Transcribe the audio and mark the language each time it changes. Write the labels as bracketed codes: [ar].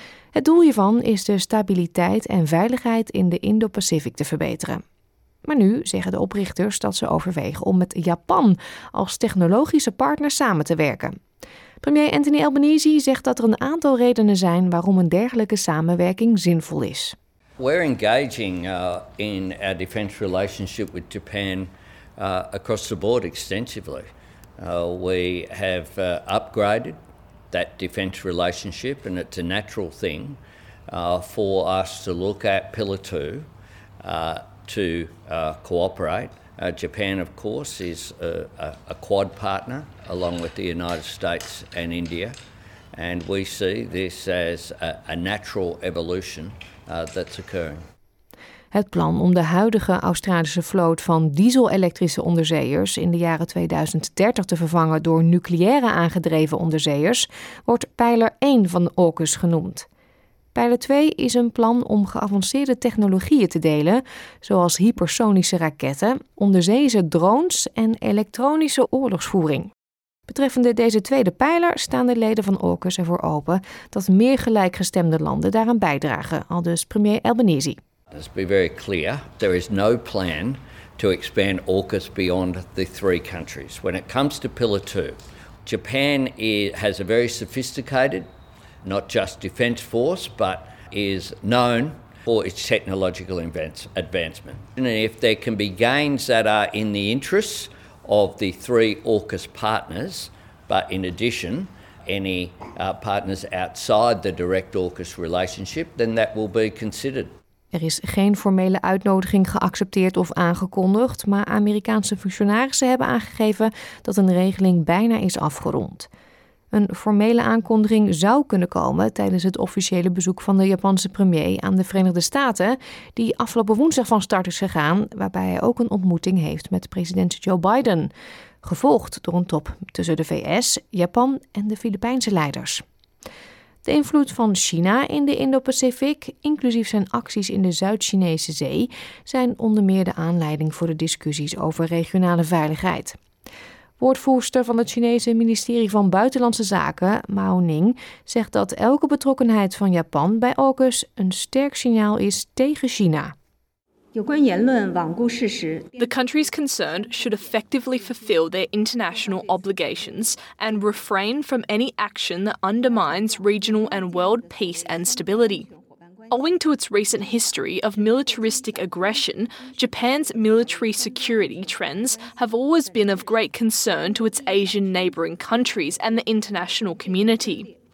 [nl] Het doel hiervan is de stabiliteit en veiligheid in de Indo-Pacific te verbeteren. Maar nu zeggen de oprichters dat ze overwegen om met Japan als technologische partner samen te werken. Premier Anthony Albanese zegt dat er een aantal redenen zijn waarom een dergelijke samenwerking zinvol is. [en] We're engaging in our defense relationship with Japan across the board extensively. We have upgraded that defense relationship and it's a natural thing for us to look at Pillar 2. To cooperate. Japan, of course, is a quad partner along with the United States and India. And we see this as a natural evolution that's occurring. [nl] Het plan om de huidige Australische vloot van diesel-elektrische onderzeeërs in de jaren 2030 te vervangen door nucleaire aangedreven onderzeeërs wordt pijler 1 van AUKUS genoemd. Pijler 2 is een plan om geavanceerde technologieën te delen, zoals hypersonische raketten, onderzeese drones en elektronische oorlogsvoering. Betreffende deze tweede pijler staan de leden van AUKUS ervoor open dat meer gelijkgestemde landen daaraan bijdragen, aldus premier Albanese. [en] Let's be very clear. There is no plan to expand AUKUS beyond the three countries. When it comes to Pillar 2, Japan has a very sophisticated, not just defense force, but is known for its technological advancement. And if there can be gains that are in the interests of the three AUKUS partners, but in addition, any partners outside the direct AUKUS relationship, then that will be considered. [nl] Er is geen formele uitnodiging geaccepteerd of aangekondigd, maar Amerikaanse functionarissen hebben aangegeven dat een regeling bijna is afgerond. Een formele aankondiging zou kunnen komen tijdens het officiële bezoek van de Japanse premier aan de Verenigde Staten, die afgelopen woensdag van start is gegaan, waarbij hij ook een ontmoeting heeft met president Joe Biden, gevolgd door een top tussen de VS, Japan en de Filipijnse leiders. De invloed van China in de Indo-Pacific, inclusief zijn acties in de Zuid-Chinese Zee, zijn onder meer de aanleiding voor de discussies over regionale veiligheid. Woordvoerster van het Chinese ministerie van Buitenlandse Zaken, Mao Ning, zegt dat elke betrokkenheid van Japan bij AUKUS een sterk signaal is tegen China. [en] The countries concerned should effectively fulfill their international obligations and refrain from any action that undermines regional and world peace and stability. Owing to its recent history of militaristic aggression, Japan's military security trends have always been of great concern to its Asian neighboring countries and the international community.